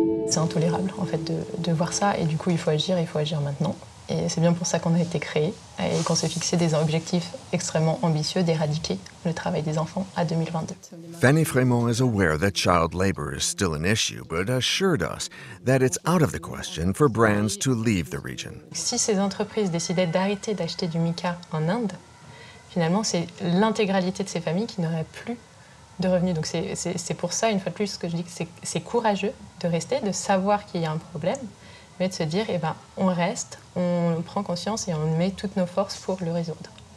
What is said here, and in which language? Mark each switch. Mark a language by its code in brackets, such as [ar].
[fr] C'est intolérable, en fait, de voir ça, et du coup, il faut agir maintenant. Et c'est bien pour ça qu'on a été créé et qu'on s'est fixé des objectifs extrêmement ambitieux d'éradiquer le travail des enfants à 2022. [en] Fanny Frémont is aware that child labor is still an issue, but assured us that it's out of the question for brands to leave the region. [fr] Si ces entreprises décidaient d'arrêter d'acheter du mica en Inde, finalement, c'est l'intégralité de ces familles qui n'auraient plus de revenus. Donc c'est pour ça, une fois de plus, ce que je dis, que c'est courageux de rester, de savoir qu'il y a un problème, mais de se dire, eh ben, on reste, on prend conscience et on met toutes nos forces pour le résoudre.